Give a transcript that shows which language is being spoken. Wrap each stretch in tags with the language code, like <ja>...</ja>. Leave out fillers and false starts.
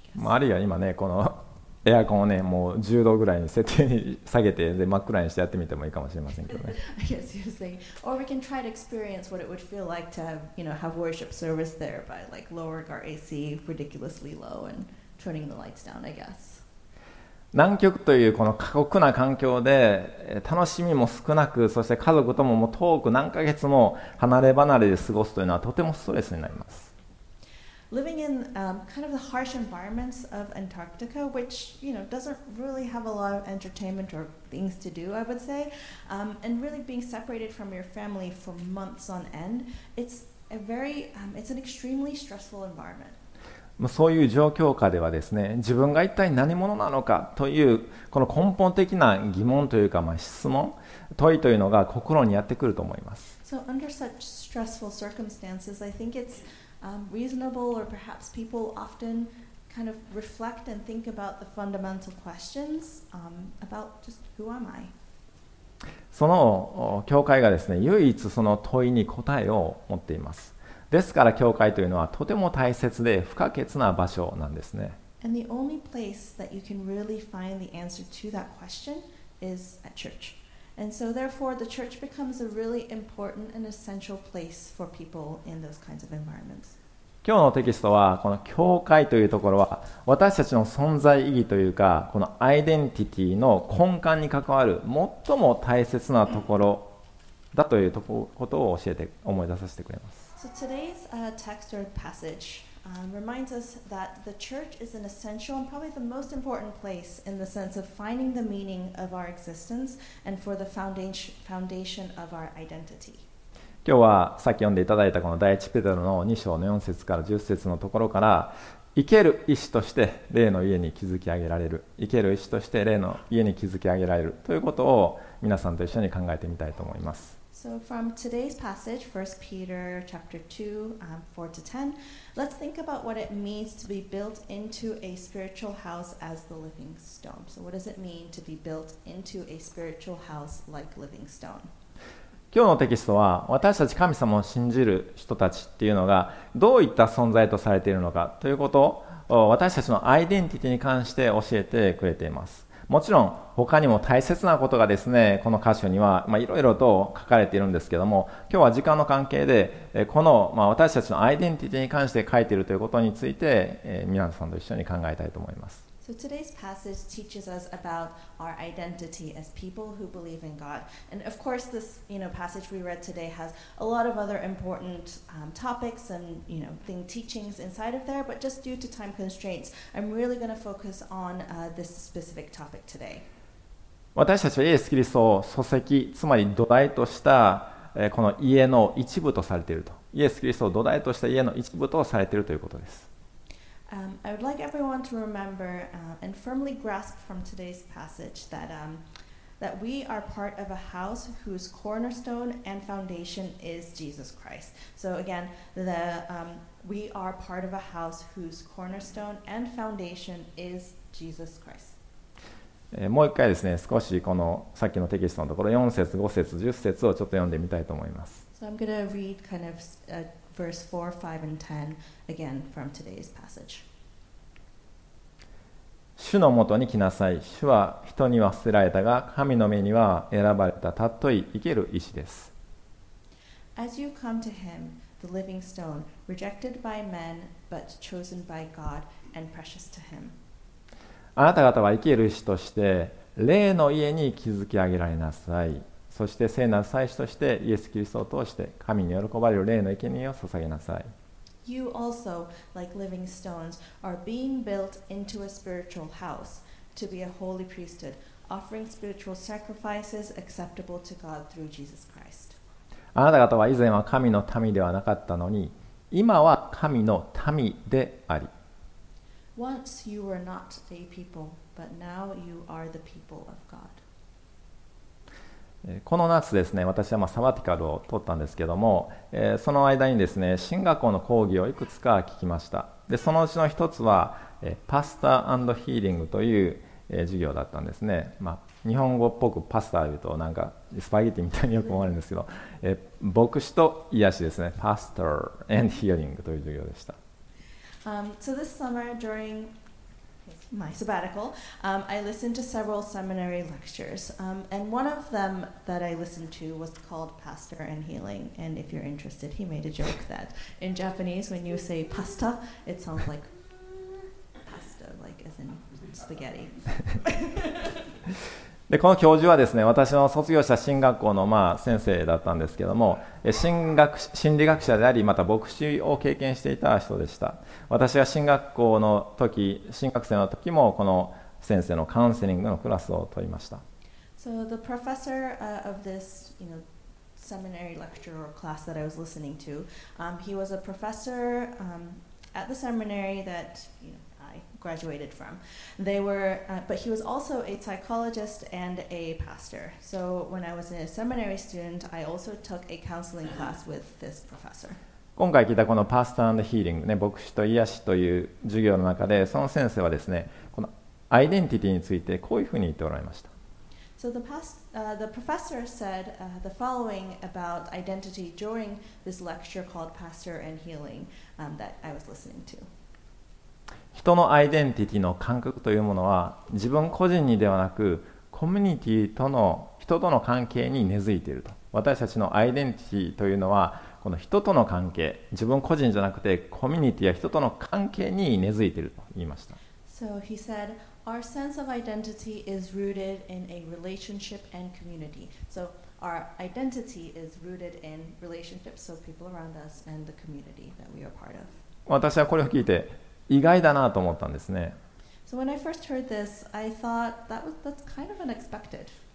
<ja>まああるいは今ね、このエアコンをね、もう10度ぐらいに設定に下げて、で真っ暗にしてやってみてもいいかもしれませんけどね。</ja> <en>I guess you're saying, or we can try to experience what it would feel like to, you know, have worship service there by like lowering our AC ridiculously low and turning the lights down, I guess.</en> <ja>南極というこの過酷な環境で楽しみも少なく、そして家族と もう遠く何ヶ月も離れ離れで過ごすというのはとてもストレスになります。</ja> <en>Living in, kind of the harsh environments of Antarctica, which, you know, doesn't really have a lot of entertainment or things to do, I would say, and really being separated from your family for months on end, it's a very, it's an extremely stressful environment</en> <ja>そういう状況下ではですね、自分が一体何者なのかというこの根本的な疑問というか、まあ、質問問いというのが心にやってくると思います。</ja> <en>So under such stressful circumstances, I think it's, reasonable or perhaps people often kind of reflect and think about the fundamental questions, about just who am I?</en> <ja>その教会がですね、唯一その問いに答えを持っています。ですから教会というのはとても大切で不可欠な場所なんですね。</ja> <en>And the only place that you can really find the answer to that question is at church. And so therefore the church becomes a really important and essential place for people in those kinds of environments.</en> <ja>今日のテキストはこの教会というところは私たちの存在意義というかこのアイデンティティの根幹に関わる最も大切なところだというとことを教えて思い出させてくれます。</ja> <en>So today's text or passage reminds us that the church is an essential and probably the most important place in the sense of finding the meaning of our existence and for the foundation of our identity.</en> <ja>今日はさっき読んでいただいたこの第一ペテロの2章の4節から10節のところから生ける石として霊の家に築き上げられる、生ける石として霊の家に築き上げられるということを皆さんと一緒に考えてみたいと思います。</ja> <en>So from today's passage, 1 Peter chapter 2, 4 to 10, let's think about what it means to be built into a spiritual house as the living stone. So what does it mean to be built into a spiritual house like living stone?</en> <ja>今日のテキストは私たち神様を信じる人たちっていうのがどういった存在とされているのかということを私たちのアイデンティティに関して教えてくれています。もちろん他にも大切なことがですねこの箇所にはいろいろと書かれているんですけども、今日は時間の関係でこの私たちのアイデンティティに関して書いているということについて皆さんと一緒に考えたいと思います。</ja> <en>So today's passage teaches us about our identity as people who believe in God. And of course, this, you know, passage we read today has a lot of other important topics and, you know, teachings inside of there. But just due to time constraints, I'm really going to focus on this specific topic today.</en> <ja>私たちはイエス・キリストを礎石、つまり土台とした、この家の一部とされていると。イエス・キリストを土台とした家の一部とされているということです。</ja> <en>I would like everyone to remember and firmly grasp from today's passage that, that we are part of a house whose cornerstone and foundation is Jesus Christ. So again, we are part of a house whose cornerstone and foundation is Jesus Christ.</en> <ja>もう一回ですね、少しこのさっきのテキストのところ、4節、5節、10節をちょっと読んでみたいと思います。</ja> <en>So I'm going to read kind of verse 4, 5, and 10 again from today's passage.</en> <ja>主のもとに来なさい。主は人には捨てられたが、神の目には選ばれた尊い生ける石です。</ja> <en>As you come to him, the living stone, rejected by men, but chosen by God and precious to him.</en> <ja>あなた方は生ける石として、霊の家に築き上げられなさい。そして聖なる祭司としてイエス・キリストを通して神に喜ばれる霊の生贄を捧げなさい。</ja> <en>You also, like living stones, are being built into a spiritual house to be a holy priesthood, offering spiritual sacrifices acceptable to God through Jesus Christ.</en> <ja>あなた方は以前は神の民ではなかったのに、今は神の民であり。</ja> <en>Once you were not a people, but now you are the people of God.</en> <ja>この夏ですね、私はサバティカルを取ったんですけども、その間にですね、神学校の講義をいくつか聞きました。で、そのうちの一つは、パスタ&ヒーリングという、授業だったんですね。日本語っぽくパスタ言うと、なんかスパゲティみたいによく思われるんですけど、牧師と癒しですね、パスタ&ヒーリングという授業でした。</ja> <en>So this summer, during... My sabbatical, I listened to several seminary lectures, and one of them that I listened to was called Pastor and Healing. And if you're interested, he made a joke that in Japanese, when you say pasta, it sounds like pasta, like as in spaghetti.</en> <ja>でこの教授はですね、私の卒業した神学校の先生だったんですけども、心理学者であり、また牧師を経験していた人でした。私が神学校の時、新学生の時もこの先生のカウンセリングのクラスを取りました。</ja> <en>So the professor of this, you know, seminary lecture or class that I was listening to, he was a professor at the seminary that, you know,graduated from. They were, but he was also a psychologist and a pastor. So when I was a seminary student, I also took a counseling class with this professor.</en> <ja>今回聞いたこのパスタ&ヒーリング、牧師と癒しという授業の中で、その先生はですね、このアイデンティティについてこういうふうに言っておられました。</ja> <en>So the professor said the following about identity during this lecture called Pastor and Healing that I was listening to.</en> <ja>人のアイデンティティの感覚というものは自分個人にではなくコミュニティとの人との関係に根付いていると。私たちのアイデンティティというのはこの人との関係、自分個人じゃなくてコミュニティや人との関係に根付いていると言いました。</ja> <en>So he said, our sense of identity is rooted in a relationship and community. So our identity is rooted in relationships, so people around us and the community that we are part of.</en> <ja>私はこれを聞いて意外だなと思ったんですね。</ja> <en>So when I first heard this, I thought that was, that's kind of unexpected.</en>